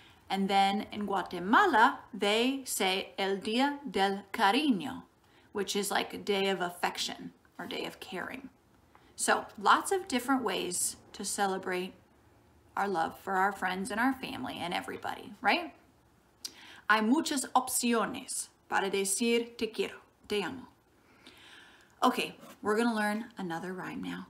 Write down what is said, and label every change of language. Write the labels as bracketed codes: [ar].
[en] And then in Guatemala, they say El Día del Cariño, which is like a day of affection or day of caring. So lots of different ways to celebrate our love for our friends and our family and everybody, right? [es] Hay muchas opciones para decir te quiero, te amo. [en] Okay, we're going to learn another rhyme now.